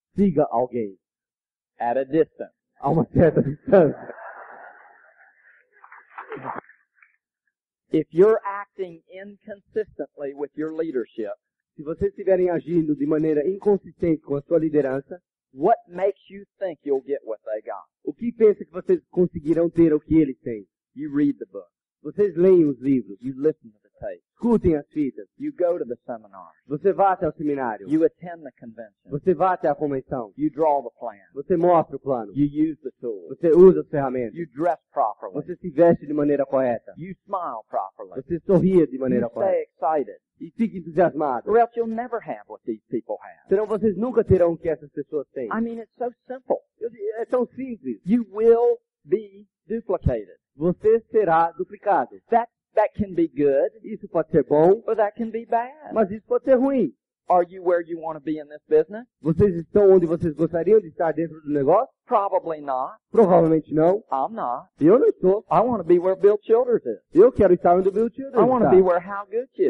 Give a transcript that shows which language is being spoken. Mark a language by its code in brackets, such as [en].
[pt] Siga alguém. [en] At a distance. [pt] A uma certa distância. [en] If you're acting inconsistently with your leadership. [pt] Se vocês estiverem agindo de maneira inconsistente com a sua liderança, [en] What makes you think you'll get what they got? [pt] O que pensa que vocês conseguirão ter o que eles têm? [en] You read the book. [pt] Vocês leem os livros. [en] You listen to the tape. [pt] Escutem as fitas. [en] You go to the seminar. [pt] Você vai até o seminário. [en] You attend the convention. [pt] Você vai até a convenção. [en] You draw the plan. [pt] Você mostra o plano. [en] You use the tools. [pt] Você usa as ferramentas. [en] You dress properly. [pt] Você se veste de maneira correta. [en] You smile properly. [pt] Você sorria de maneira correta. [en] Stay excited. [pt] E fique entusiasmado. [en] Or else you'll never have what these people have. [pt] Senão vocês nunca terão o que essas pessoas têm. [en] I mean, it's so simple. [pt] É tão simples. [en] You will be duplicated. [pt] Você será duplicado. [en] That can be good. [pt] Isso pode ser bom. [en] Or that can be bad. [pt] Mas isso pode ser ruim. [en] Are you where you want to be in this business? [pt] Vocês estão onde vocês gostariam de estar dentro do negócio? [en] Probably not. [pt] Provavelmente não. [en] I'm not. [pt] Eu não estou. [en] I want to be where Bill Childers is. [pt] Eu quero estar onde Bill Childers está. [en] I want to be where Hal Gooch is.